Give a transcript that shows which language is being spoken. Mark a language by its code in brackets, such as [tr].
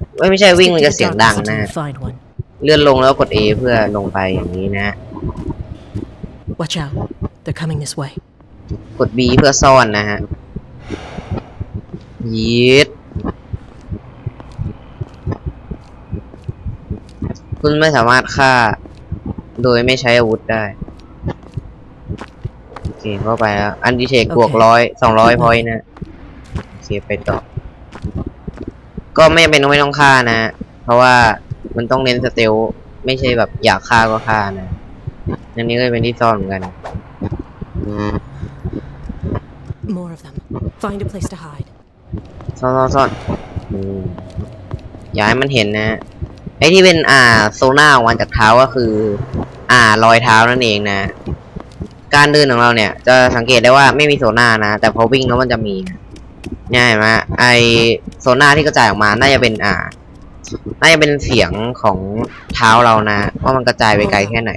[th] ไม่ใช่วิ่งมันจะเสียงดังนะเลื่อนลงแล้วกด A เพื่อลงไปอย่างนี้นะ [en] Watch out they're coming this way [th] กด B เพื่อซ่อนนะฮะยีดคุณไม่สามารถฆ่าโดยไม่ใช้อาวุธได้โอเคเข้าไปแล้วอันดีเทคบวก200พอยต์นะโอเคไปต่อก็ไม่ต้องฆ่านะเพราะว่ามันต้องเน้นสเตลไม่ใช่แบบอยากฆ่าก็ฆ่านะอันนี้ก็เป็นที่ซ่อนเหมือนกัน [en] More of them find a place to hide [th] ซ่อนอย่าให้มันเห็นนะไอ้ที่เป็นโซน่าวันจากเท้าก็คือรอยเท้านั่นเองนะการเดินของเราเนี่ยจะสังเกตได้ว่าไม่มีโซน่านะแต่พอวิ่งแล้วมันจะมีเนี่ยเห็นไหมไอโซน่าที่กระจายออกมาน่าจะเป็นเสียงของเท้าเรานะว่ามันกระจายไปไกลแค่ไหน